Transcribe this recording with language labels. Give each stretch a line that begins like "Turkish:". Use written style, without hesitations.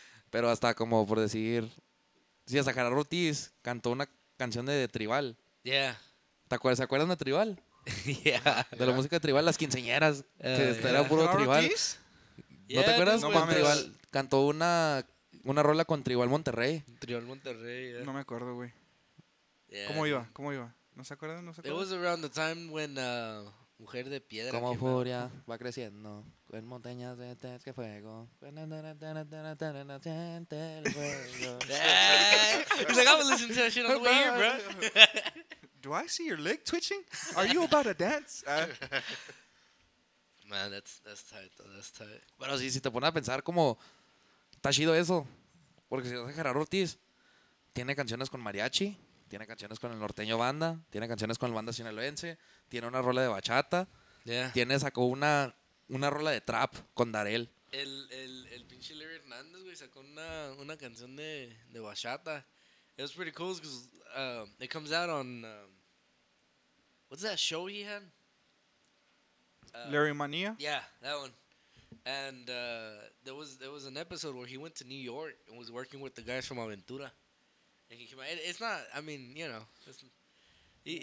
Spanish: Pero hasta como por decir, si a Sacar Ortiz cantó una canción de Tribal.
English: Yeah.
Spanish: ¿Se acuerdan de Tribal?
English: Yeah.
Spanish: De la música de Tribal, las quinceañeras. Era puro Tribal. ¿No te acuerdas? No, Tribal cantó una rola con Tribal Monterrey.
English: Tribal Monterrey, yeah.
Spanish: No me acuerdo, güey.
English: Yeah.
Spanish: ¿Cómo iba? ¿No se acuerdan?
English: It was around the time when Mujer de Piedra.
Spanish: Como furia va creciendo. En montañas de test que fuego. Siente el fuego.
English: Like, I was listening to that shit on the way here, bro. Do I see your leg twitching? Are you about to dance? Man, that's tight.
Spanish: Bueno, sí, si te pones a pensar como, está chido eso. Porque si vas a Gerardo Ortiz, tiene canciones con mariachi, tiene canciones con el norteño banda, tiene canciones con el banda sinaloense, tiene una rola de bachata,
English: yeah.
Spanish: Sacó una rola de trap con Darell. El pinche Larry Hernández, güey, sacó una canción de bachata.
English: It was pretty cool because it comes out on, what's that show he had? Larry Mania? Yeah, that one. And there was an episode where he went to New York and was working with the guys from Aventura. And he came out. It's not, I mean, you know.